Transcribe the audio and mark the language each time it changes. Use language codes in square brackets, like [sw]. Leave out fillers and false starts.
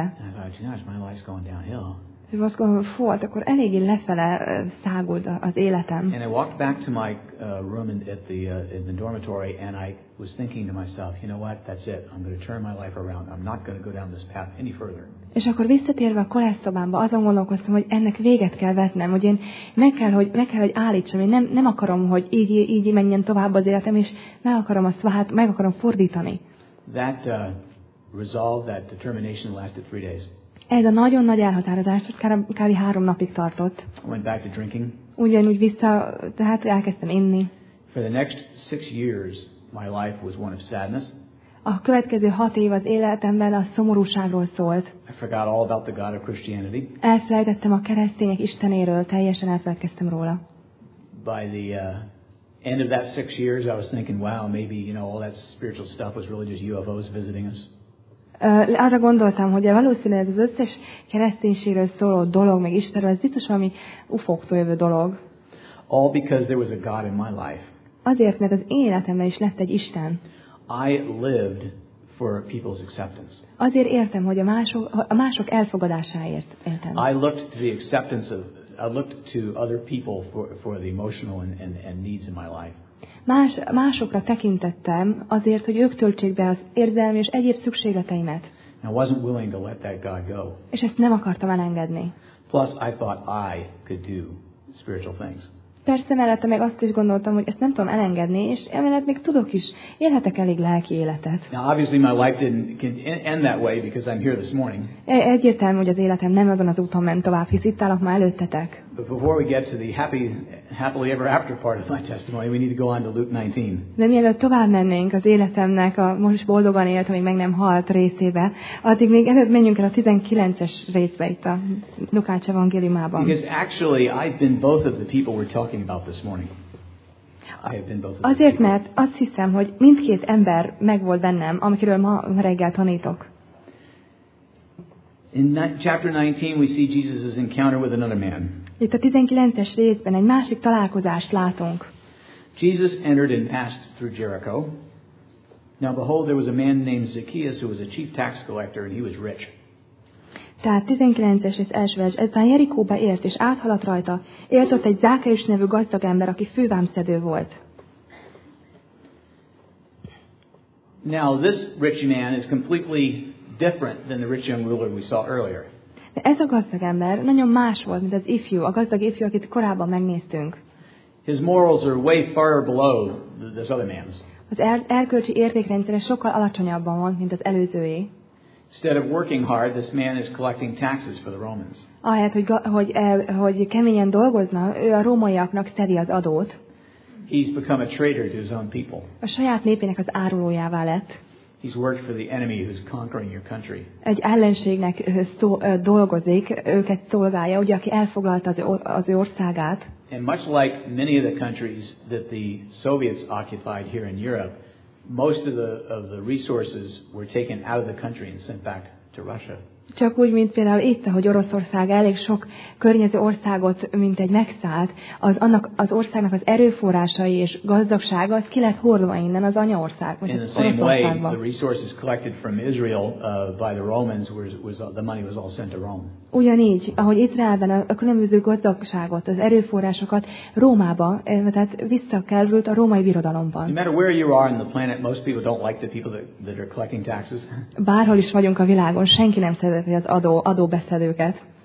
[en] And I thought, gosh, my life's going downhill. [hu] És azt gondolom, fú, akkor eléggé lefele száguld az életem. [en] And I walked back to my room in the dormitory and I was thinking to myself, you know what, that's it. I'm going to turn my life around. I'm not going to go down this path any further. [hu] És akkor visszatérve a koleszszobámba, azon gondolkoztam, hogy ennek véget kell vetnem, hogy én meg kell, hogy állítsam, én nem akarom, hogy így menjen tovább az életem, és meg akarom fordítani. [en] That resolve, that determination lasted 3 days. [hu] Ez a nagyon nagy elhatározás, hogy kb. 3 napig tartott. [en] I went back to drinking. [hu] Ugyanúgy vissza, tehát elkezdtem inni. [en] For the next 6 years, my life was one of sadness. [hu] A következő 6 év az életemben a szomorúságról szólt. [en] I forgot all about the God of Christianity. [hu] Elfelejtettem a keresztények Istenéről, teljesen elfelejtkeztem róla. [en] By the end of that 6 years, I was thinking, wow, maybe you know all that spiritual stuff was really just UFOs visiting us. [hu] Arra gondoltam, hogy valószínűleg ez az összes kereszténységről szóló dolog, meg Istenről, ez biztos valami UFO-któl jövő dolog. [en] All because there was a God in my life. [hu] Azért, mert az én életemben is lett egy Isten. [en] I lived for people's acceptance. [hu] Azért értem, hogy a mások elfogadásáért éltem. [en] I looked to other people for the emotional and needs in my life. [hu] Másokra tekintettem azért, hogy ők töltsék be az érzelmi és egyéb szükségleteimet. [en] And I wasn't willing to let that God go. [hu] És ezt nem akartam elengedni. [en] Plus, I thought I could do spiritual things. [hu] Persze mellette meg azt is gondoltam, hogy ezt nem tudom elengedni, és emellett még tudok is, élhetek elég lelki életet. [en] Now, obviously my life didn't end that way because I'm here this morning. [hu] Egyértelmű, hogy az életem nem azon az úton ment tovább, hisz itt állok ma előttetek. [en] But before we get to the happily ever after part of my testimony, we need to go on to Luke 19. [hu] De mielőtt tovább mennénk az életemnek a most boldogan élt, amíg meg nem halt részébe, addig még előbb menjünk el a 19-es részbe itt a Lukács evangéliumában. [en] Because actually I've been both of the people we're talking about this morning. I have been both of the [hu] Azért, [en] people. [hu] Mert azt hiszem, hogy mindkét ember megvolt bennem, amikről ma reggel tanítok. [en] In chapter 19 we see Jesus' encounter with another man. [hu] Itt a 19-es részben egy másik találkozást látunk. [en] Jesus entered and passed through Jericho. Now behold, there was a man named Zacchaeus, who was a chief tax collector, and he was rich. [hu] Tehát 19-es rész első vers, ezután Jerikóba ért, és áthaladt rajta, élt ott egy Zákeus nevű gazdag ember, aki fűvámszedő volt. [en] Now this rich man is completely different than the rich young ruler we saw earlier. [hu] De ez a gazdag ember nagyon más volt, mint az ifjú, a gazdag ifjú, akit korábban megnéztünk. [en] His morals are way far below this other man's. [hu] Az erkölcsi értékrendszere sokkal alacsonyabban volt, mint az előzőé. [en] Instead of working hard, this man is collecting taxes for the Romans. [hu] Ahelyett, hogy keményen dolgozna, ő a rómaiaknak szedi az adót. [en] He's become a traitor to his own people. [hu] A saját népének az árulójává lett. [en] He's worked for the enemy who's conquering your country. [hu] Egy ellenségnek dolgozik, őket szolgálja, ugye, aki elfoglalta az ő országát. [en] And much like many of the countries that the Soviets occupied here in Europe, most of the resources were taken out of the country and sent back to Russia. [hu] Csak úgy, mint például itt, hogy Oroszország elég sok környező országot, mint egy megszállt, az annak az országnak az erőforrásai és gazdagsága, az ki lett hordva innen az anyaország, vagy [en] In the same way, the resources collected from Israel by the Romans was the money was all sent to Rome. [hu] Ugyanígy, ahogy Izraelben a különböző gazdagságot, az erőforrásokat Rómába, tehát visszakerült a római birodalomban. [en] No matter where you are in the planet, most people don't like the people that are collecting taxes. [hu] Bárhol is vagyunk a világon, senki nem szereti az adóbeszedőket.